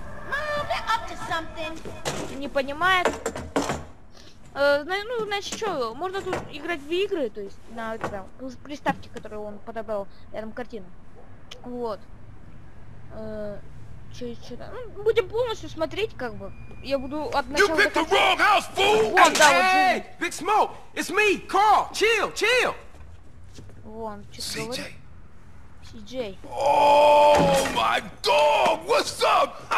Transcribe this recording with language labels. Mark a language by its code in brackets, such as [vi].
[en] Mom, they're up to something. [ru] Не понимает. Ну, значит, что, можно тут играть в игры, то есть, на там, приставке, которую он подобрал рядом картину. Вот. Что-то... Ну, будем полностью смотреть, как бы. Я буду от начала до конца... [en] You picked the wrong house, fool! [ru] Вот, да, вот, [en] hey, Big Smoke, it's me, Carl, chill! [ru] Вон, CJ. О, май гад, [en] what's up?